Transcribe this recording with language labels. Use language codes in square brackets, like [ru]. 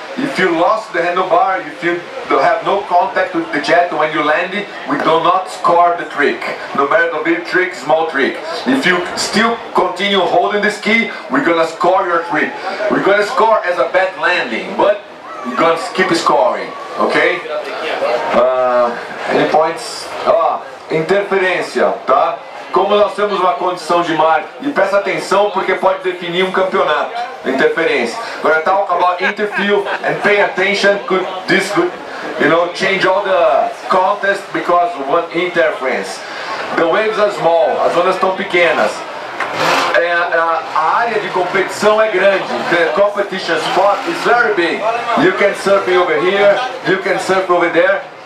[en] If you lost the handlebar, if you have no contact with the jet when you land it, we do not score the trick. No matter the big trick, small trick. If you still continue holding this key, we're gonna score your trick. We're gonna score as a bad landing, but we're gonna keep scoring, okay? Any points? [pt] Interferência, tá? Como nós temos uma condição de mar, e presta atenção porque pode definir um campeonato, interferência. [en] Agora talk about interfere and pay attention, could this, change all the contest because of one interference. The waves are small, [pt] as ondas estão pequenas. A área de competição é grande. [en] The competition spot is very big. You can surf over here, you can surf over there.